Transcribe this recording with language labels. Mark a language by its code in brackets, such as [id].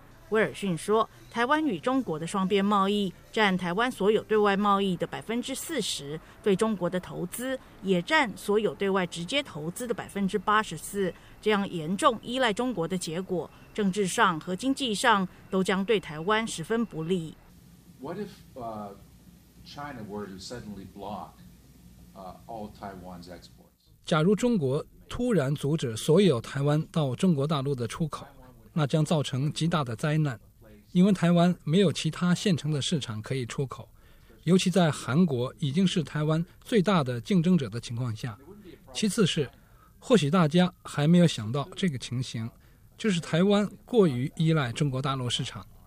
[zh] 威尔逊说，台湾与中国的双边贸易占台湾所有对外贸易的40%，对中国的投资也占所有对外直接投资的84%，这样严重依赖中国的结果，政治上和经济上都将对台湾十分不利。 [en] What if China were to suddenly block all Taiwan's exports? [zh] 假如中国突然阻止所有台湾到中国大陆的出口，那将造成极大的灾难，因为台湾没有其他现成的市场可以出口，尤其在韩国已经是台湾最大的竞争者的情况下。其次是，或许大家还没有想到这个情形，就是台湾过于依赖中国大陆市场。